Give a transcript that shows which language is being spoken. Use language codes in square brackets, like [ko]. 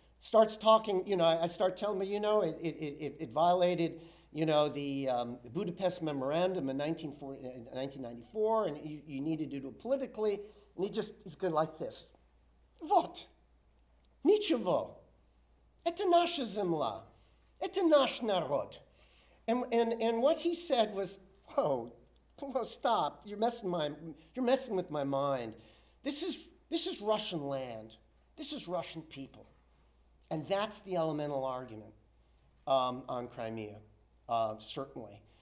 [en] starts talking, you know, I start telling him, you know, it violated, you know, the Budapest Memorandum in 1994, and you needed to do it politically. And he's going like this. [ru] Вот, ничего, это наша земля, это наш народ. [en] And what he said was, whoa, stop, you're messing with my mind. This is Russian land, this is Russian people. And that's the elemental argument on Crimea, certainly.